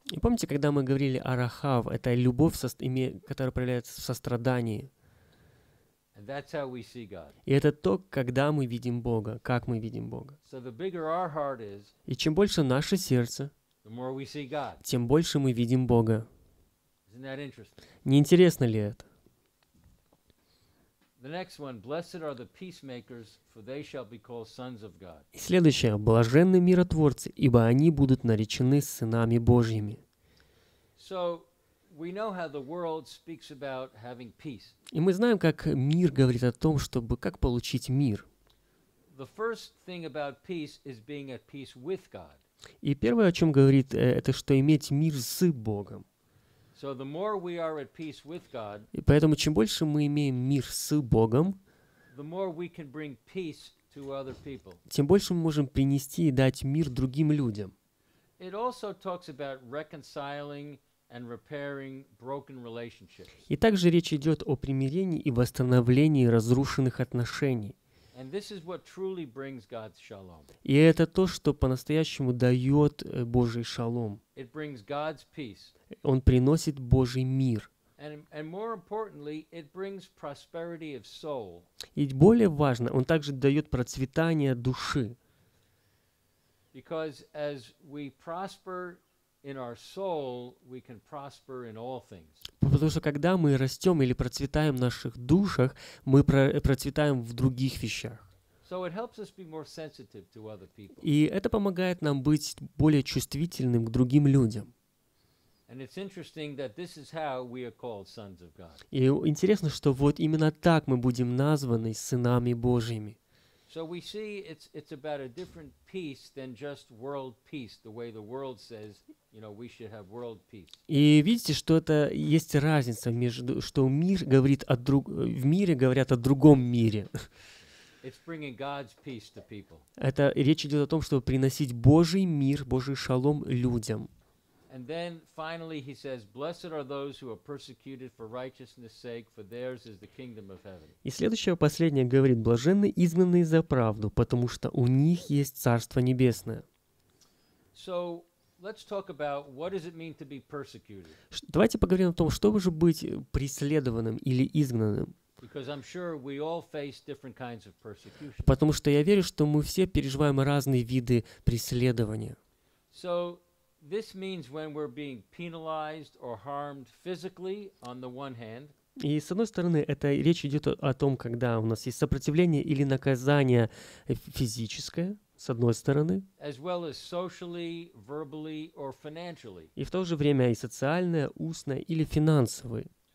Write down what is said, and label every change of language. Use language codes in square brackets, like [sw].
[ru] И помните, когда мы говорили о Рахав, это любовь, которая проявляется в сострадании. [en] And that's how we see God. [ru] И это то, когда мы видим Бога, как мы видим Бога. [en] So the bigger our heart is, [ru] и чем больше наше сердце, [en] the more we see God. [ru] Тем больше мы видим Бога. [en] Isn't that interesting? [ru] Не интересно ли это? [en] The next one, blessed are the peacemakers, for they shall be called sons of God. [ru] И следующее, блаженны миротворцы, ибо они будут наречены сынами Божьими. [en] So, we know how the world speaks about having peace. [ru] И мы знаем, как мир говорит о том, чтобы как получить мир. [en] The first thing about peace is being at peace with God. [ru] И первое, о чем говорит, это что иметь мир с Богом. [en] So the more we are at peace with God, [ru] и поэтому чем больше мы имеем мир с Богом, [en] the more we can bring peace to other people. [ru] Тем больше мы можем принести и дать мир другим людям. [en] It also talks about reconciling and repairing broken relationships. [ru] И также речь идет о примирении и восстановлении разрушенных отношений. [en] And this is what truly brings God's shalom. [ru] И это то, что по-настоящему дает Божий шалом. [en] It brings God's peace. [ru] Он приносит Божий мир. [en] And more importantly, it brings prosperity of soul. [ru] И более важно, он также дает процветание души. [en] Because as we prosper in our soul, we can prosper in all things. [ru] Потому что когда мы растем или процветаем в наших душах, мы процветаем в других вещах. [en] So it helps us be more sensitive to other people. [ru] И это помогает нам быть более чувствительным к другим людям. [en] And it's interesting that this is how we are called sons of God. [ru] И интересно, что вот именно так мы будем названы сынами Божьими. [en] So we see it's about a different peace than just world peace, the way the world says, you know, we should have world peace. [ru] И видите, что это есть разница между, что мир говорит о друг, в мире говорят о другом мире. [en] It's bringing God's peace to people. [ru] Это речь идет о том, чтобы приносить Божий мир, Божий шалом людям. [en] And then finally he says, blessed are those who are persecuted for righteousness' sake, for theirs is the kingdom of heaven. [ru] И следующее, последнее говорит, блаженны изгнанные за правду, потому что у них есть Царство Небесное. [en] So Let's talk about what does it mean to be persecuted. [ru] Давайте поговорим о том, что же быть преследованным или изгнанным. [en] Because I'm sure we all face different kinds of persecution. [ru] Потому что я верю, что мы все переживаем разные виды преследования. [en] So this means when we're being penalized or harmed physically on the one hand. [ru] И с одной стороны, это речь идет о том, когда у нас есть сопротивление или наказание физическое. С одной стороны, [en] as well as socially, verbally, or financially. [ru] И в то же время и социальное, устное или финансовое.